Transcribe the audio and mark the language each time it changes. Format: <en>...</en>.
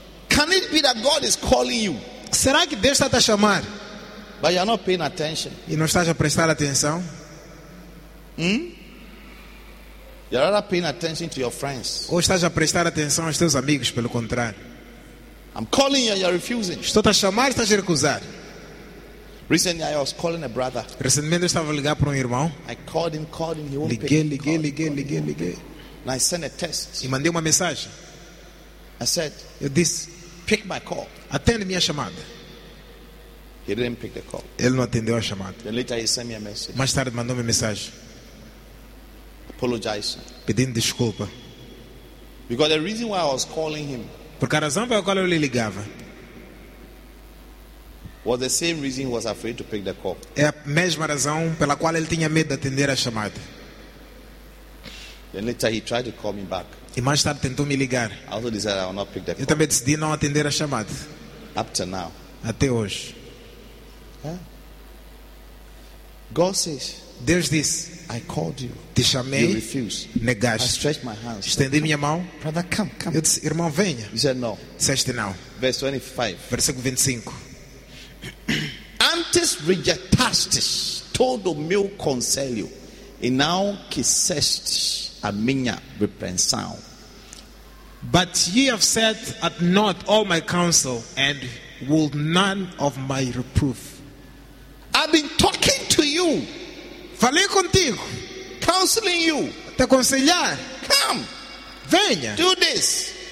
<en>Can it be that God is calling you?</en> <pt>Será que Deus está a chamar?</pt> <en>But you are not paying attention.</en> <pt>E não estás a prestar atenção?</pt> <en>You are not paying attention to your friends.</en> <pt>Ou estás a prestar atenção aos teus amigos, pelo contrário.</pt> <en>I'm calling you and you're refusing.</en> <pt>Estou a chamar e estás a recusar.</pt> <en>Recently I was calling a brother.</en> <pt>Recentemente eu estava a ligar para irmão.</pt> <en>I called him, he won't</en> <pt>liguei,</pt> <en>pick up.</en> <pt>Liguei.</pt> <en>And I sent a text.</en> <pt>E mandei uma mensagem.</pt> <en>I said,</en> <pt>eu disse,</pt> <en>pick my call.</en> <pt>Atende minha chamada.</pt> <en>He didn't pick the call.</en> <pt>Ele não atendeu a chamada.</pt> <en>Then later he sent me a message.</en> <pt>Mais tarde mandou-me mensagem.</pt> <en>Apologize.</en> <pt>Pedindo desculpa.</pt> <en>Because the reason why I was calling him.</en> <pt>Porque a razão pela qual eu lhe ligava.</pt> <en>Was the same reason he was afraid to pick the call.</en> <pt>É a mesma razão pela qual ele tinha medo de atender a chamada.</pt> <en>Then later he tried to call me back.</en> <pt>E mais tarde tentou me ligar.</pt> <en>I also decided I will not pick the call.</en> <pt>Eu também decidi não atender a chamada.</pt> <en>Up to now.</en> <pt>Até hoje.</pt> <en>Huh? God says,</en> <pt>Deus disse,</pt> <en>I called you.</en> <pt>Te chamei.</pt> <en>You refused.</en> <pt>Negaste.</pt> <en>I stretched my hands.</en> <pt>Estendi minha mão.</pt> <en>Brother, come.</en> <pt>Eu disse, irmão, venha.</pt> <en>He said no.</en> <pt>Disseste não.</pt> <en>Verse 25.</en> <pt>Versículo 25. Antes rejeitastes todo o meu conselho e não quisestes a minha repreensão.</pt> <en>But ye have set at naught all my counsel and would none of my reproof. I've been talking to you.</en> <pt>Falei contigo.</pt> <en>Counseling you.</en> <pt>Te aconselhar.</pt> <en>Come.</en> <pt>Venha.</pt> <en>Do this.</en>